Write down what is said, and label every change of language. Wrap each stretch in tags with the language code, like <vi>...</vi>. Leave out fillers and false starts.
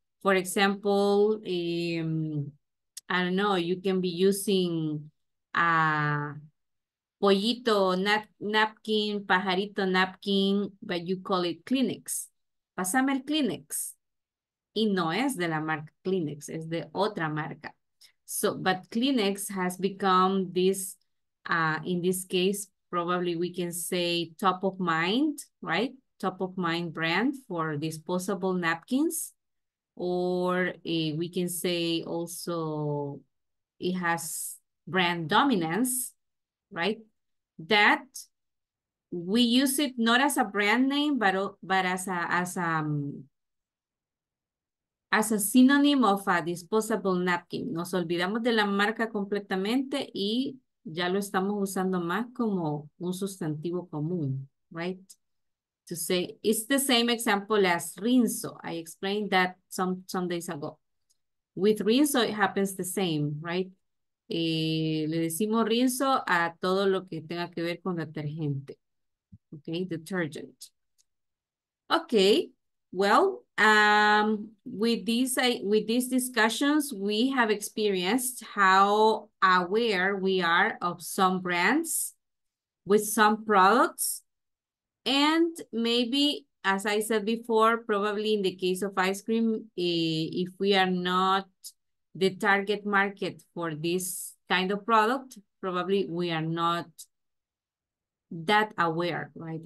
<en>For example, I don't know, you can be using a pollito napkin, pajarito napkin, but you call it Kleenex.</en> <es>Pásame el Kleenex. Y no es de la marca Kleenex, es de otra marca.</es> <en>So, but Kleenex has become this, in this case, probably we can say top of mind, right? Top of mind brand for disposable napkins. Or we can say also it has brand dominance, right? That we use it not as a brand name, but as a synonym of a disposable napkin.</en> <es>Nos olvidamos de la marca completamente y ya lo estamos usando más como un sustantivo común, right?</es> <en>To say, it's the same example as rinso. I explained that some days ago. With rinso, it happens the same, right?</en> <es>Le decimos rinso a todo lo que tenga que ver con detergente.</es> <en>Okay, detergent. Okay, well, with these discussions, we have experienced how aware we are of some brands with some products. And maybe, as I said before, probably in the case of ice cream, if we are not the target market for this kind of product, probably we are not that aware, right?</en>